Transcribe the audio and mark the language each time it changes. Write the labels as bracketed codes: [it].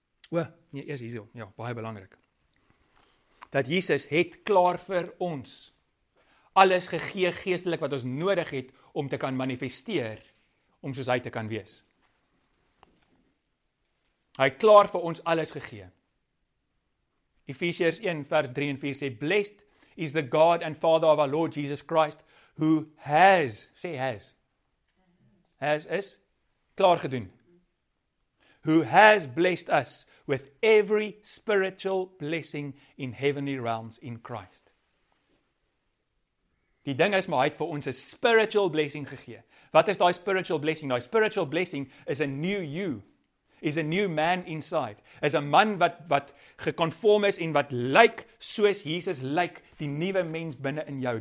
[af] Baie belangrik. Dat Jesus het klaar vir ons alles gegee geestelik wat ons nodig het om te kan manifesteer om soos hy te kan wees. Hy het klaar vir ons alles gegee. Efesiërs 1 vers 3 en 4 sê [en] blessed is the God and Father of our Lord Jesus Christ, who has, say has is, [af] klaar gedoen, [en] who has blessed us with every spiritual blessing in heavenly realms in Christ. [af] Die ding is maar hy het vir ons 'n spiritual blessing gegee. Wat is daai spiritual blessing? [en] Daai spiritual blessing is a new you. Is a new man inside. [af] Is a man wat gekonform is en wat lyk soos Jesus lyk, die nuwe mens binne in jou.